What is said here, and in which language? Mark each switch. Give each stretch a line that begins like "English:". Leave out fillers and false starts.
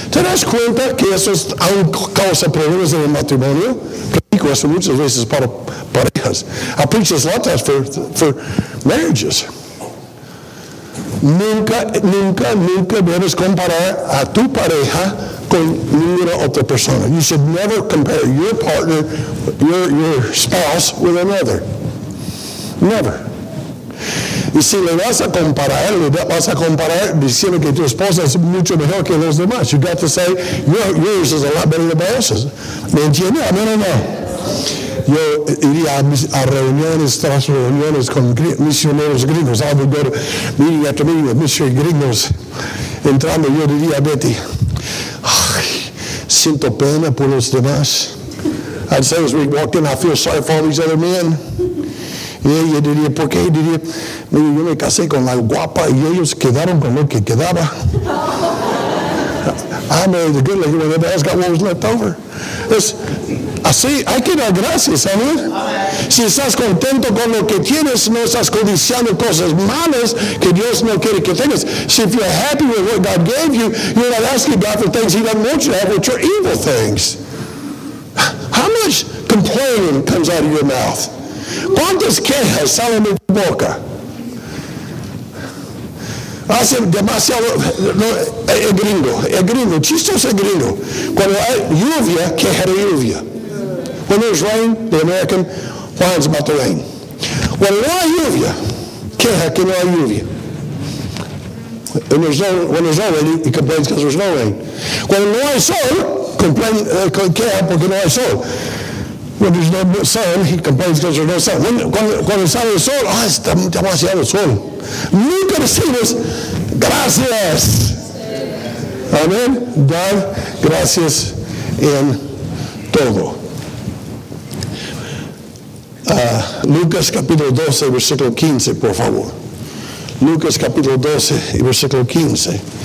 Spanish: ¿Te das cuenta que eso aún causa problemas en el matrimonio? Creo que eso muchas veces para parejas.
English: I preach this a lot of times for marriages.
Spanish: Nunca, nunca, nunca debes comparar a tu pareja con ninguna otra persona.
English: You should never compare your partner, your spouse, with another. Never.
Spanish: Y si le vas a comparar, le vas a comparar diciendo que tu esposa es mucho mejor que los demás.
English: You got to say, yours is a lot better than yours.
Spanish: ¿Me entiendes? A mí no. Yo iría a reuniones tras reuniones con misioneros gringos.
English: I would go to meeting after meeting with missionary gringos.
Spanish: Entrando, yo diría a Betty, ay, siento pena por los demás.
English: I'd say as we walked in, I feel sorry for all these other men.
Spanish: Y ella diría, ¿por qué? Y diría, yo me casé con la guapa y ellos quedaron con lo que quedaba.
English: I married the good lady when everybody else got what was left over.
Spanish: Es así, hay que dar gracias, amén. Si estás contento con lo que tienes, no estás codiciando cosas malas que Dios no quiere que tengas.
English: So if you're happy with what God gave you, you're not asking God for things he doesn't want you to have, which are evil things. How much complaining comes out of your mouth?
Spanish: ¿Cuántas quejas salen de tu boca? Hace demasiado. No, el gringo, chistoso el gringo. Cuando hay lluvia, queja de lluvia.
English: When there's rain, the American whines about the rain.
Spanish: Cuando hay lluvia, queja que no hay lluvia.
English: When there's no rain, he complains because there's no rain.
Spanish: Cuando no hay sol, queja porque no hay sol.
English: When there's no sun, he complains because there's no sun.
Spanish: Cuando sale el sol, ¡ah, está demasiado sol! Nunca decimos, ¡gracias! Amén. Dar gracias en todo. Lucas capítulo 12, versículo 15, por favor. Lucas capítulo 12, versículo 15.